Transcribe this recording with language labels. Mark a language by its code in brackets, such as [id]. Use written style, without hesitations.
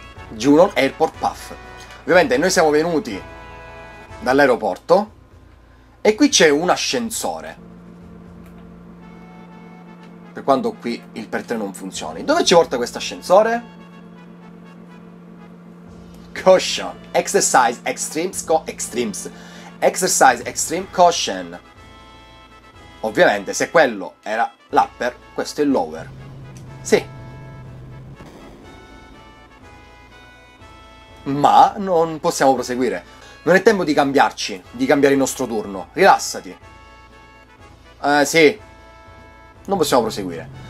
[it] Junon Airport Path. Ovviamente noi siamo venuti dall'aeroporto. E qui c'è un ascensore. Per quanto qui il pertre non funzioni. Dove ci porta questo ascensore? [en] Caution, exercise extreme extremes. Exercise extreme caution. [it] Ovviamente, se quello era l'upper, questo è il lower. Sì. ma non possiamo proseguire. Non è tempo di cambiarci, di cambiare il nostro turno. Rilassati. Sì. Non possiamo proseguire.